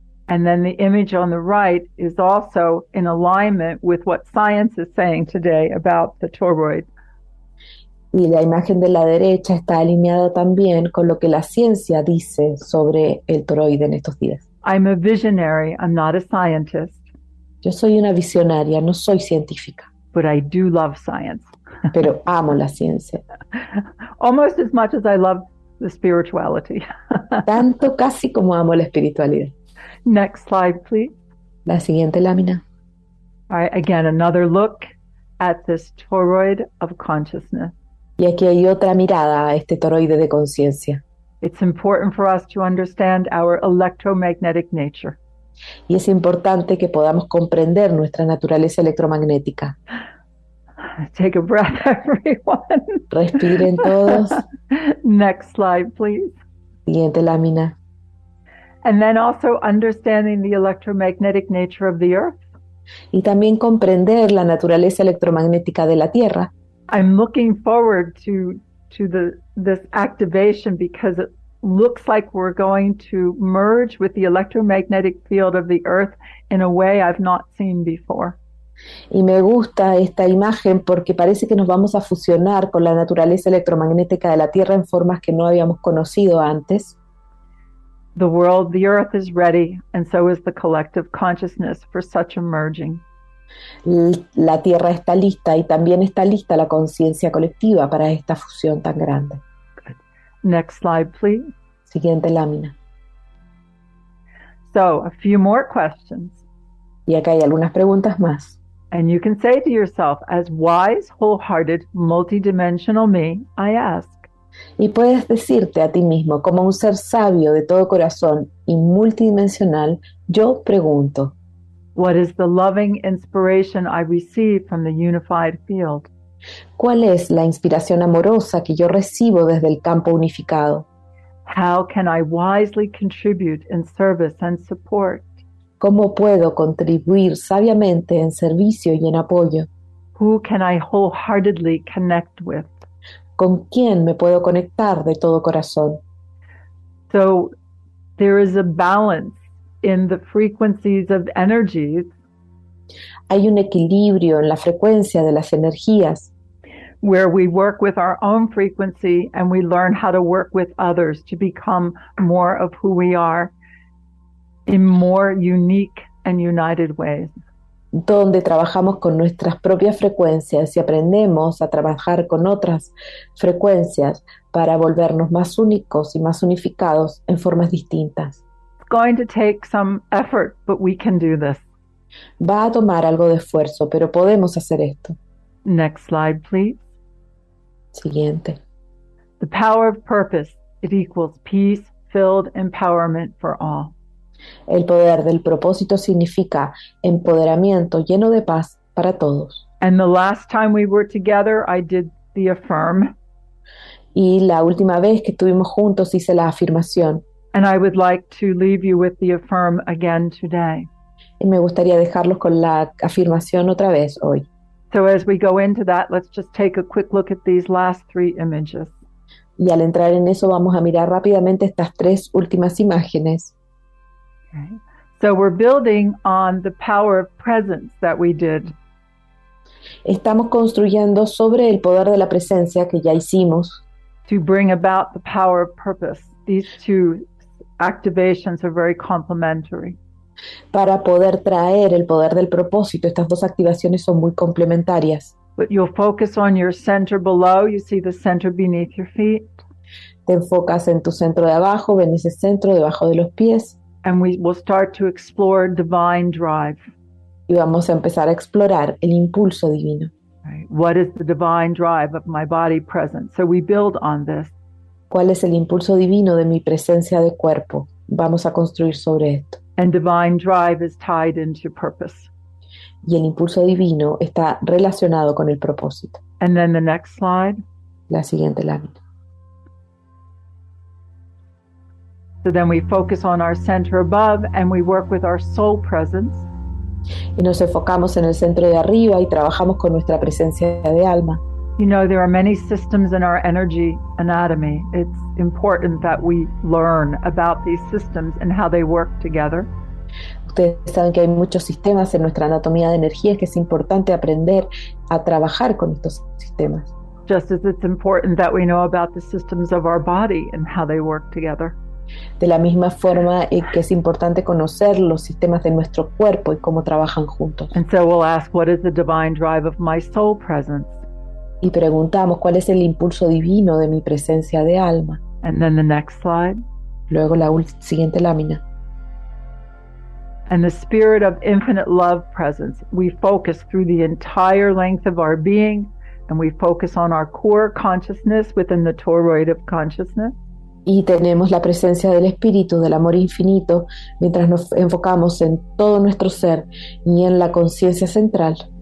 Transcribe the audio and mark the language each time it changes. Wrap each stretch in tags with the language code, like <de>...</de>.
<en>And then the image on the right is also in alignment with what science is saying today about the toroid.</en> <es>Y la imagen de la derecha está alineada también con lo que la ciencia dice sobre el toroide en estos días.</es> <en>I'm a visionary, I'm not a scientist.</en> <es>Yo soy una visionaria, no soy científica.</es> <en>But I do love science.</en> <es>Pero amo la ciencia.</es> <en>Almost as much as I love the spirituality.</en> <es>Tanto casi como amo la espiritualidad.</es> <en>Next slide, please.</en> <es>La siguiente lámina.</es> <en>All right, again, another look at this toroid of consciousness.</en> <es>Y aquí hay otra mirada a este toroide de conciencia.</es> <en>It's important for us to understand our electromagnetic nature.</en> <es>Y es importante que podamos comprender nuestra naturaleza electromagnética.</es> <en>Take a breath, everyone.</en> <es>Respiren todos.</es> <en>Next slide, please.</en> <es>Siguiente lámina.</es> <en>And then also understanding the electromagnetic nature of the earth.</en> <es>Y también comprender la naturaleza electromagnética de la Tierra.</es> <en>I'm looking forward to this activation because it looks like we're going to merge with the electromagnetic field of the earth in a way I've not seen before.</en> <es>Y me gusta esta imagen porque parece que nos vamos a fusionar con la naturaleza electromagnética de la Tierra en formas que no habíamos conocido antes.</es> <en>The world, the earth is ready, and so is the collective consciousness for such a merging.</en> <es>La tierra está lista y también está lista la conciencia colectiva para esta fusión tan grande.</es> <en>Good. Next slide, please.</en> <es>Siguiente lámina.</es> <en>So, a few more questions.</en> <es>Y acá hay algunas preguntas más.</es> <en>And you can say to yourself, as wise, wholehearted, multidimensional me, I ask.</en> <es>Y puedes decirte a ti mismo, como un ser sabio de todo corazón y multidimensional, yo pregunto.</es> <en>What is the loving inspiration I receive from the unified field?</en> <es>¿Cuál es la inspiración amorosa que yo recibo desde el campo unificado?</es> <en>How can I wisely contribute in service and support?</en> <es>¿Cómo puedo contribuir sabiamente en servicio y en apoyo?</es> <en>Who can I wholeheartedly connect with?</en> <es>¿Con quién me puedo conectar de todo corazón?</es> <en>So, there is a balance in the frequencies of energies.</en> <es>Hay un equilibrio en la frecuencia de las energías.</es> <en>Where we work with our own frequency and we learn how to work with others to become more of who we are in more unique and united ways.</en> <es>Donde trabajamos con nuestras propias frecuencias y aprendemos a trabajar con otras frecuencias para volvernos más únicos y más unificados en formas distintas.</es> <en>It's going to take some effort, but we can do this.</en> <es>Va a tomar algo de esfuerzo, pero podemos hacer esto.</es> <en>Next slide, please.</en> <es>Siguiente.</es> <en>The power of purpose, it equals peace, filled empowerment for all.</en> <es>El poder del propósito significa empoderamiento lleno de paz para todos.</es> <en>And the last time we were together, I did the affirm.</en> <es>Y la última vez que estuvimos juntos hice la afirmación.</es> <en>And I would like to leave you with the affirm again today.</en> <es>Y me gustaría dejarlos con la afirmación otra vez hoy.</es> <en>So as we go into that, let's just take a quick look at these last three images.</en> <es>Y al entrar en eso vamos a mirar rápidamente estas tres últimas imágenes.</es> <en>Okay. So we're building on the power of presence that we did.</en> <es>Estamos construyendo sobre el poder de la presencia que ya hicimos.</es> <en>To bring about the power of purpose. These two activations are very complementary.</en> <es>Para poder traer el poder del propósito, estas dos activaciones son muy complementarias.</es> <en>But you'll focus on your center below. You see the center beneath your feet.</en> <es>Te enfocas en tu centro de abajo, ven ese centro debajo de los pies.</es> <en>And we will start to explore divine drive.</en> <es>Y vamos a empezar a explorar el impulso divino.</es> <en>What is the divine drive of my body present? So we build on this.</en> <es>¿Cuál es el impulso divino de mi presencia de cuerpo? Vamos a construir sobre esto.</es> <en>And divine drive is tied into purpose.</en> <es>Y el impulso divino está relacionado con el propósito.</es> <en>And then the next slide.</en> <es>La siguiente lámina.</es> <en>So then we focus on our center above and we work with our soul presence.</en> <es>Y nos enfocamos en el centro de arriba y trabajamos con nuestra presencia de alma.</es> <en>You know, there are many systems in our energy anatomy. It's important that we learn about these systems and how they work together.</en> <es>Ustedes saben que hay muchos sistemas en nuestra anatomía de energía, que es importante aprender a trabajar con estos sistemas.</es> <en>Just as it's important that we know about the systems of our body and how they work together.</en> <es>De la misma forma que es importante conocer los sistemas de nuestro cuerpo y cómo trabajan juntos.</es> <en>And so we'll ask, what is the divine drive of my soul presence?</en> <es>Y preguntamos, ¿cuál es el impulso divino de mi presencia de alma?</es> <en>And then the next slide.</en> <es>Luego la siguiente lámina.</es> <en>And the spirit of infinite love presence. We focus through the entire length of our being and we focus on our core consciousness within the toroid of consciousness.</en> <es>Y tenemos la presencia del Espíritu, del amor infinito, mientras nos enfocamos en todo nuestro ser y en la conciencia central.</es>